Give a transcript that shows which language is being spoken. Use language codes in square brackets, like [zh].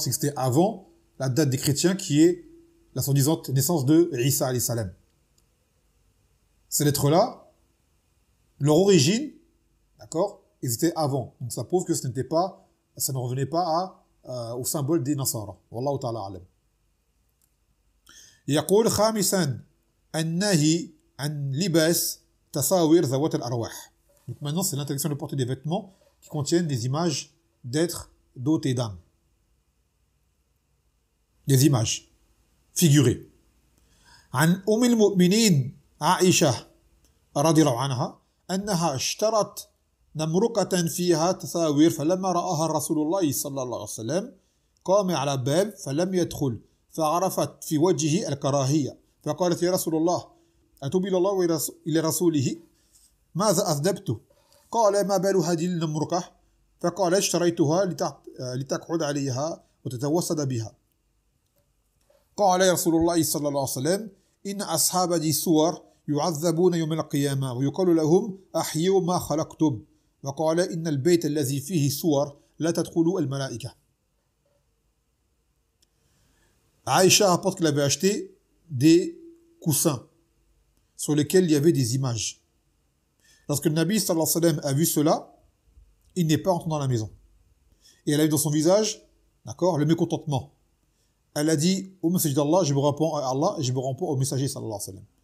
[fr] C'est que c'était avant la date des chrétiens, qui est la soi-disante naissance de Isa [ar] alayhi salam. [fr] Ces lettres-là, leur origine, d'accord, ils étaient avant. Donc ça prouve que ça ne revenait pas à au symbole des Nasara. [ar] Wallahu ta'ala alam. يقول خامسا النهي عن لباس تصاوير ذوات الأرواح. [fr] Donc maintenant c'est l'interdiction de porter des vêtements qui contiennent des images d'êtres dotés d'âme. Des images figurées. [ar] عن أم المؤمنين عائشة رضي الله عنها أنها اشترت نمرقة فيها تصاوير فلما رآها رسول الله صلى الله عليه وسلم قام على باب فلم يدخل فعرفت في وجهه الكراهية فقالت يا رسول الله أتوبي الله إلى رسوله ماذا أذنبت قال ما بال هذه النمرقة فقال اشتريتها لتقعد عليها وتتوسد بها قال يا رسول الله صلى الله عليه وسلم إن أصحاب دي الصور يعذبون يوم القيامة ويقال لهم أحيوا ما خلقتم وقال إن البيت الذي فيه صور لا تدخلوا الملائكة. [fr] Aïcha rapporte qu'elle avait acheté des coussins sur lesquels il y avait des images. Lorsque le Nabi [ar] sallallahu alayhi wa sallam [fr] a vu cela, il n'est pas entré dans la maison. Et elle a vu dans son visage, d'accord, le mécontentement. Elle a dit au messager d'Allah, je me repens à Allah et je me repens au messager [ar] sallallahu alayhi wa sallam.